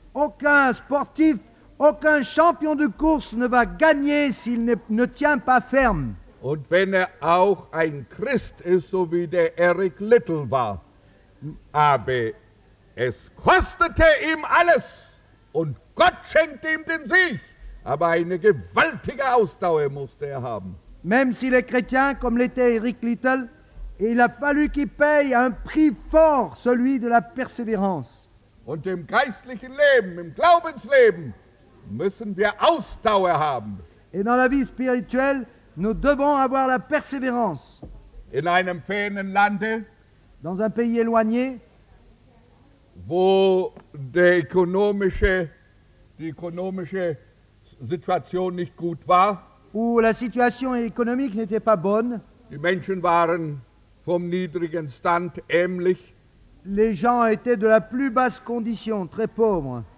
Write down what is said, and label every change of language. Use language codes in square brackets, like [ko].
[fr] Aucun sportif, aucun champion de course ne va gagner s'il ne tient pas ferme. [de] Und wenn auch ein Christ ist, so wie der Eric Little war. Aber es kostete ihm alles. Und Gott schenkte ihm den Sieg. Aber eine gewaltige Ausdauer musste haben. [fr] Même s'il est chrétien, comme l'était Eric Little, il a fallu qu'il paye un prix fort, celui de la persévérance. [de] Und im geistlichen Leben, im Glaubensleben, müssen wir Ausdauer haben. [fr] Et dans la vie spirituelle, nous devons avoir la persévérance. [de] In einem fernen Lande, [fr] dans un pays éloigné, [de] wo der ökonomische, die ökonomische Situation nicht gut war, [fr] où la situation économique n'était pas bonne. [de] Die Menschen waren vom niedrigen Stand ähnlich. [fr] Les gens étaient de la plus basse condition, très pauvres.